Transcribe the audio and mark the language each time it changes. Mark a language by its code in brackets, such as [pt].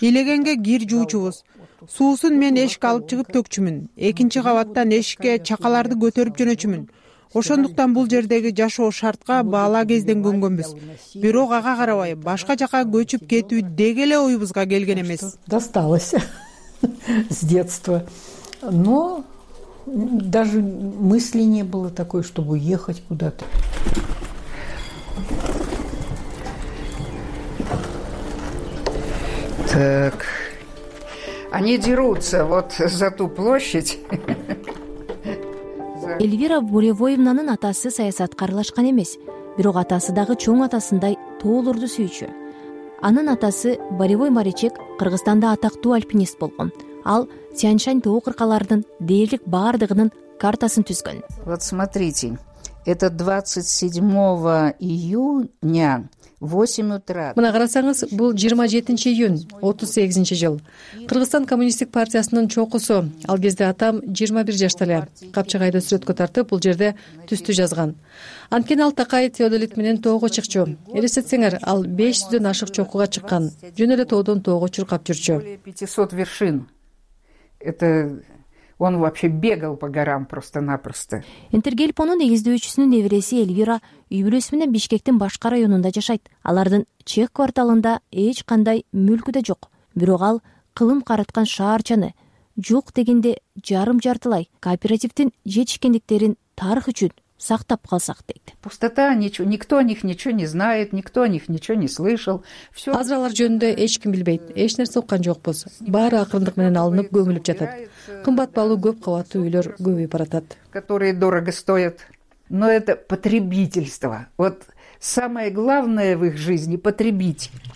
[ky] Илегенге кир жуучубуз. Суусун мен эшикке алып чыгып төкчүмүн. Экинчи кабаттан эшикке чакаларды көтөрүп жөнөчүмүн. Ошондуктан бул жердеги жашоо шартка баала кезден көнгөнбүз. Бирок ага карабай башка жака көчүп кетүү деги эле оюбузга келген эмес. [ru] Досталось с детства. Но даже мысли не было такой, чтобы уехать куда-то. Так. Они дерутся вот за ту площадь. [ky] Эльвира Буревоевнанын атасы саясатка аралашкан эмес, бирок атасы дагы чоң атасындай тоолорду сүйүүчү. Анын атасы Боревой Маричек Кыргызстанда атактуу альпинист болгон. Ал Тянь-Шань тоо кыркаларынын дээрлик баардыгынын картасын түзгөн. [ru] Вот смотрите. Это 27 июня, 8 утра. [ky] Мына карасаңыз, бул 27 июнь, 38 жыл. Кыргызстан коммунисттик партиясынын чокусу. Ал кезде атам 21 жашта эле. Капчыгайды сүрөткө тартып, бул жерде түстү жазган. Анткени ал Такай Теодолит менен тоого чыкчу. Элестетсеңер, ал 500 ашык чокуга чыккан. Жөн эле тоодон тоого чуркап жүрчү. [ru] 500 вершин. Это он вообще бегал по горам просто-напросто. [ky] Интергельпонун негиздөөчүсүнүн небереси Эльвира үй бүлөсү менен Бишкектин башка районунда жашайт. Алардын чек кварталында эч кандай мүлкү да жок. Бирок ал кылым караткан шаарчаны жок дегенде жарым жартылай кооперативдин жетишкендиктерин тарых үчүн сактап калсак дейт. [ru] Пустота, ничего, никто о них ничего не знает, никто о них ничего не слышал. Все. [ky] Азыр алар жөнүндө эч ким билбейт. Эч нерсе уккан жокпуз. Баары акырындык менен алынып көмүлүп жатат. Кымбат баалуу көп кабаттуу үйлөр көбөйүп баратат. [ru] Которые дорого стоят. Но это потребительство. Вот самое главное в их жизни потребить.